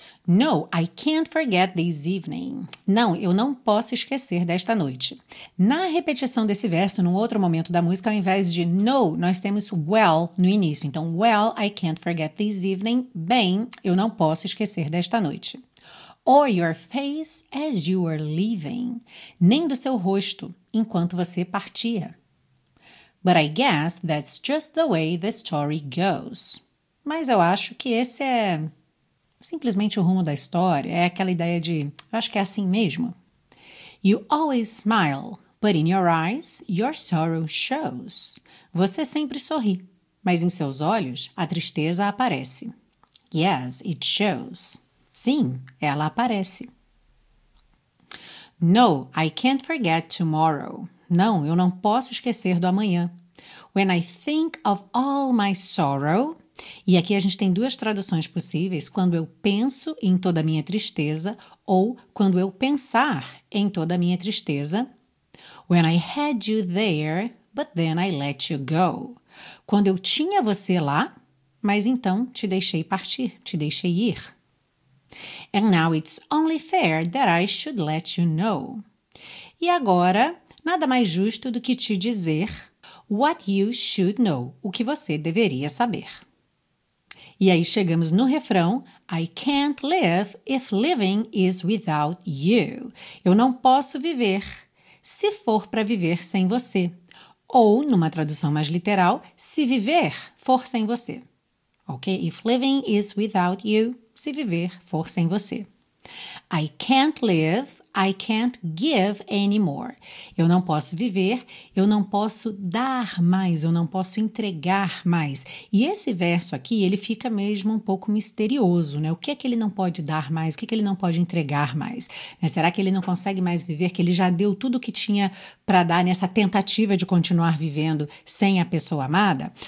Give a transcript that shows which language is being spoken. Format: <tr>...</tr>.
<en>No, I can't forget this evening.</en> <pt>Não, eu não posso esquecer desta noite. Na repetição desse verso, num outro momento da música, ao invés de no, nós temos well no início. Então,</pt> <en>well, I can't forget this evening.</en> <pt>Bem, eu não posso esquecer desta noite.</pt> <en>Or your face as you were leaving.</en> <pt>Nem do seu rosto, enquanto você partia.</pt> <en>But I guess that's just the way the story goes.</en> <pt>Mas eu acho que esse é simplesmente o rumo da história, é aquela ideia de, eu acho que é assim mesmo.</pt> <en>You always smile, but in your eyes, your sorrow shows.</en> <pt>Você sempre sorri, mas em seus olhos, a tristeza aparece.</pt> <en>Yes, it shows.</en> <pt>Sim, ela aparece.</pt> <en>No, I can't forget tomorrow.</en> <pt>Não, eu não posso esquecer do amanhã.</pt> <en>When I think of all my sorrow.</en> <pt>E aqui a gente tem duas traduções possíveis, quando eu penso em toda a minha tristeza ou quando eu pensar em toda a minha tristeza.</pt> <en>When I had you there, but then I let you go.</en> <pt>Quando eu tinha você lá, mas então te deixei partir, te deixei ir.</pt> <en>And now it's only fair that I should let you know.</en> <pt>E agora, nada mais justo do que te dizer.</pt> <en>What you should know.</en> <pt>O que você deveria saber. E aí chegamos no refrão,</pt> <en>I can't live if living is without you.</en> <pt>Eu não posso viver se for para viver sem você. Ou, numa tradução mais literal, se viver for sem você.</pt> <en>Ok? If living is without you,</en> <pt>se viver for sem você.</pt> <en>I can't live, I can't give anymore.</en> <pt>Eu não posso viver, eu não posso dar mais, eu não posso entregar mais. E esse verso aqui, ele fica mesmo um pouco misterioso, né? O que é que ele não pode dar mais? O que é que ele não pode entregar mais? Né? Será que ele não consegue mais viver, que ele já deu tudo o que tinha para dar nessa tentativa de continuar vivendo sem a pessoa amada?</pt>